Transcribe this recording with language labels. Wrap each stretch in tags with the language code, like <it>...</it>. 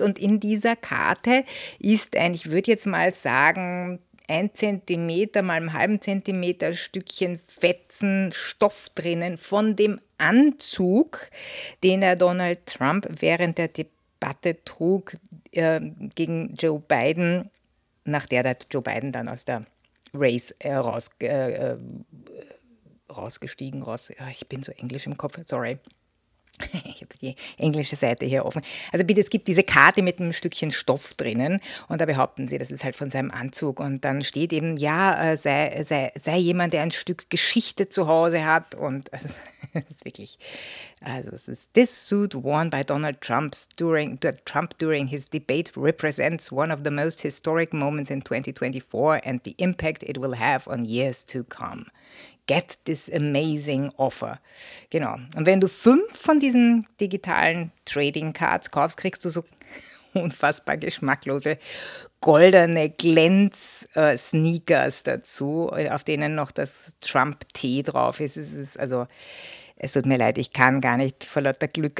<de>Und in dieser Karte ist ein, ich würde jetzt mal sagen, 1 Zentimeter mal 0,5 Zentimeter Stückchen Fetzen Stoff drinnen von dem Anzug, den er Donald Trump während der Debatte trug gegen Joe Biden, nach der Joe Biden dann aus der Race rausgestiegen, ich bin so englisch im Kopf, sorry. Ich habe die englische Seite hier offen. Also bitte, es gibt diese Karte mit einem Stückchen Stoff drinnen und da behaupten sie, das ist halt von seinem Anzug. Und dann steht eben, ja, sei jemand, der ein Stück Geschichte zu Hause hat. Und das ist wirklich, also es ist,</de> <en>this suit worn by Donald Trump during his debate represents one of the most historic moments in 2024 and the impact it will have on years to come. Get this amazing offer.</en> <de>Genau. Und wenn du 5 von diesen digitalen Trading Cards kaufst, kriegst du so unfassbar geschmacklose goldene Glänz-Sneakers dazu, auf denen noch das Trump-T drauf ist. Es ist also, es tut mir leid, ich kann gar nicht vor lauter Glück.</de>